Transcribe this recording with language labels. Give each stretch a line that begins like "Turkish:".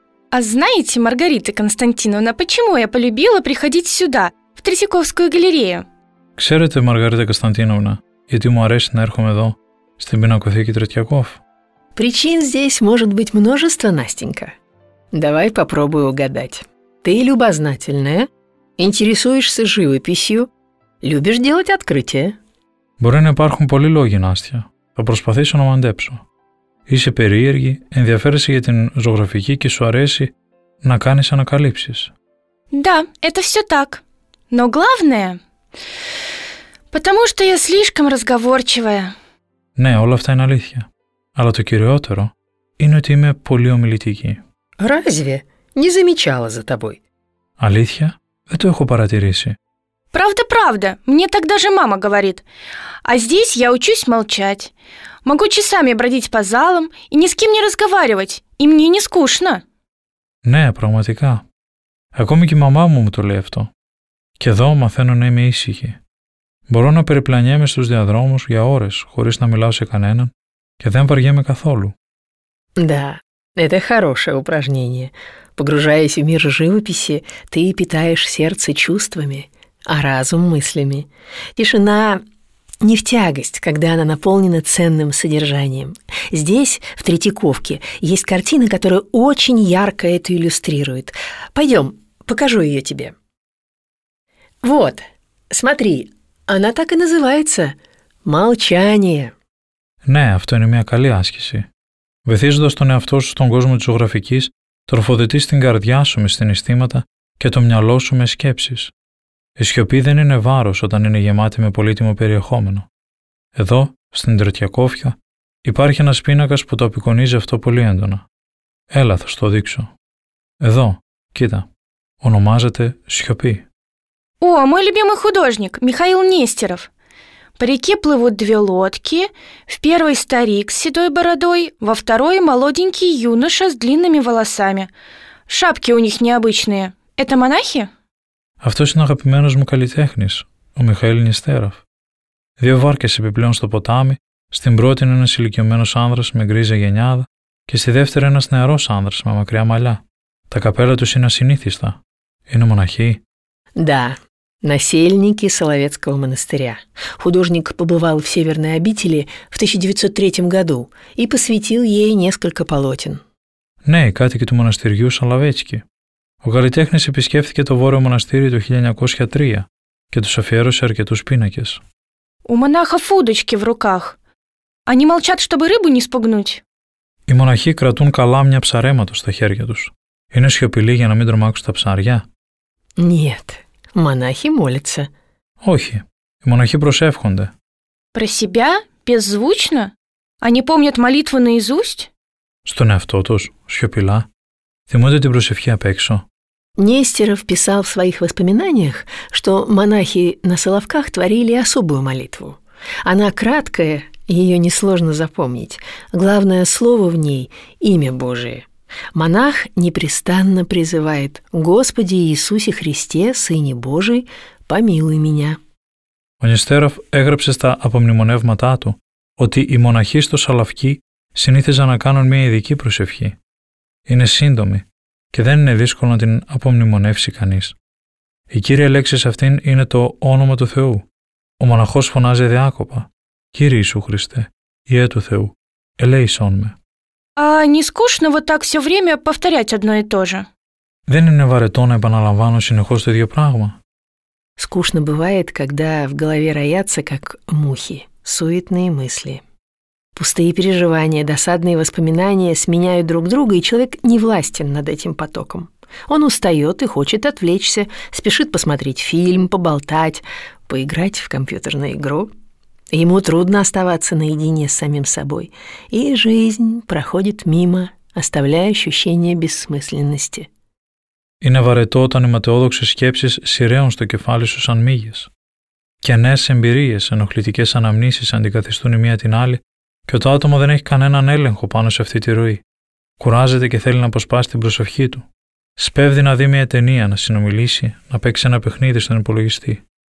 Russian: А знаете, Маргарита Константиновна, почему я полюбила приходить сюда, в Третьяковскую галерею?
Greek: Ξέρετε, Маргарита Константиновна, γιατί μου αρέσει να έρχομαι εδώ, στην Πινακοθήκη Третьяков.
Russian: Причин здесь может быть множество, Настенька. Давай попробую угадать. Ты любознательная, интересуешься живописью, любишь делать открытия.
Greek: Μπορεί να υπάρχουν πολλοί λόγοι, Νάστια. Θα προσπαθήσω να μαντέψω. Είσαι περίεργη, ενδιαφέρεσαι για την ζωγραφική και σου αρέσει να κάνεις ανακαλύψεις.
Russian: Да, это все так. Но главное... Потому что я слишком разговорчивая.
Greek: Ναι, όλα αυτά είναι αλήθεια. Αλλά το κυριότερο είναι ότι είμαι πολύ ομιλητική.
Russian: Разве? Не замечала за тобой.
Greek: Αλήθεια? Δεν το έχω παρατηρήσει.
Russian: Правда, правда. Мне так даже мама говорит. А здесь я учусь молчать. Могу часами бродить по залам и ни с кем не разговаривать. И мне не скучно.
Greek: Ναι, πραγματικά. Ακόμη και η μαμά μου το λέει αυτό. Και εδώ μαθαίνω να είμαι ήσυχη. Μπορώ να περιπλανιέμαι στους διαδρόμους για ώρες, χωρίς να μιλάω σε κανέναν και δεν βαριέμαι καθόλου.
Russian: Да, это хорошее упражнение. Погружаясь в мир живописи, ты питаешь сердце чувствами, а разум мыслями. Тишина не в тягость, когда она наполнена ценным содержанием. Здесь, в Третьяковке, есть картина, которая очень ярко это иллюстрирует. Пойдем, покажу ее тебе. Вот, смотри, она так и называется – «Молчание».
Greek: Ναι, αυτό είναι μια καλή άσκηση. Βυθίζοντας τον εαυτό σου στον κόσμο της ζωγραφικής, τροφοδοτείς την καρδιά σου με συναισθήματα και το μυαλό σου με σκέψεις. Η σιωπή δεν είναι βάρος όταν είναι γεμάτη με πολύτιμο περιεχόμενο. Εδώ, στην Τρετιακόφια, υπάρχει ένας πίνακας που το απεικονίζει αυτό πολύ έντονα. Έλα, θα σου το δείξω. Εδώ, κοίτα, ονομάζεται σιωπή.
Russian: О, мой любимый художник, Михаил Нестеров. По реке плывут две лодки. В первой старик с седой бородой, во второй молоденький юноша с длинными волосами. Шапки у них необычные. Это монахи?
Greek: Αυτός είναι αγαπημένος μου καλλιτέχνης, ο Михаίλ Νιστέροφ. Δύο βάρκες επιπλέον στο ποτάμι, στην πρώτη είναι ένας ηλικιωμένος άνδρας με γκρίζα γενιάδα και στη δεύτερη ένας νεαρός άνδρας με μακριά μαλλιά. Τα καπέλα τους είναι ασυνήθιστα. Είναι μοναχοί.
Russian: Да, насельники Соловецкого монастыря. Художник побывал в Северной обители в 1903 году и посвятил ей несколько полотен.
Greek: Ναι, κάτοικοι του μοναστηριού Соловецки. Ο καλλιτέχνης επισκέφθηκε το Βόρειο Μοναστήρι το 1903 και τους αφιέρωσε αρκετούς πίνακες.
Russian: У монахов удочки в руках. Они молчат, чтобы рыбу не спугнуть.
Greek: Οι μοναχοί κρατούν καλάμια ψαρέματος στα χέρια τους. Είναι σιωπηλοί για να μην τρομάξουν τα ψάρια.
Russian: Нет, монахи молятся.
Greek: Όχι, οι μοναχοί προσεύχονται.
Russian: Про себя? Беззвучно? Они помнят молитву наизусть?
Greek: Στον εαυτό τους, σιωπηλά. Θυμούνται την προσευχή απ' έξω.
Russian: Нестеров писал в своих воспоминаниях, что монахи на Соловках творили особую молитву. Она краткая, ее несложно запомнить. Главное слово в ней – имя Божие. Монах непрестанно призывает «Господи Иисусе Христе, Сыне Божий, помилуй меня».
Greek: Ο Νιστέροφ έγραψε στα απομνημονεύματά του ότι οι μοναχοί στο Σαλαυκί συνήθιζαν να κάνουν μια ειδική προσευχή. Είναι σύντομη και δεν είναι δύσκολο να την απομνημονεύσει κανείς. Η κύρια λέξη σε αυτήν είναι το όνομα του Θεού. Ο μοναχός φωνάζει διάκοπα «Κύριε Ιησού Χριστέ, Υιέ του Θεού, ελέησόν με».
Russian: А не скучно вот так все время повторять одно и то же?
Greek: Δεν είναι βαρετό να επαναλαμβάνω συνεχώς το ίδιο πράγμα.
Russian: Скучно бывает, когда в голове роятся, как мухи, суетные мысли. Пустые переживания, досадные воспоминания сменяют друг друга, и человек не властен над этим потоком. Он устает и хочет отвлечься, спешит посмотреть фильм, поболтать, поиграть в компьютерную игру. Ему трудно оставаться наедине с самим собой, и жизнь проходит мимо, оставляя ощущение бессмысленности.
Greek: Είναι βαρετό όταν οι ματαιόδοξες σκέψεις σειραίουν στο κεφάλι σου σαν μύγες. και νέες εμπειρίες, ενοχλητικές αναμνήσεις αντικαθιστούν η μία την άλλη και το άτομο δεν έχει κανέναν έλεγχο πάνω σε αυτή τη ροή. Κουράζεται και θέλει να αποσπάσει την προσευχή του. Σπέβδει να δει μια ταινία, να συνομιλήσει, να παίξει ένα παιχνίδι στον υπολογιστή.